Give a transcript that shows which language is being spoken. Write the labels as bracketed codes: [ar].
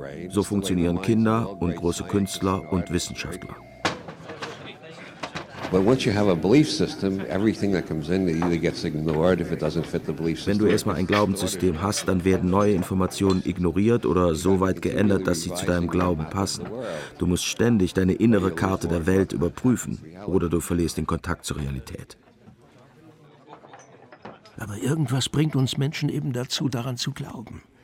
[de] So funktionieren Kinder und große Künstler und Wissenschaftler. [en] But once you have a belief system, everything that comes in either gets ignored if it doesn't fit the belief system. [de] Wenn du erstmal ein Glaubenssystem hast, dann werden neue Informationen ignoriert oder so weit geändert, dass sie zu deinem Glauben passen. Du musst ständig deine innere Karte der Welt überprüfen oder du verlierst den Kontakt zur Realität. Aber irgendwas bringt uns Menschen eben dazu, daran zu glauben.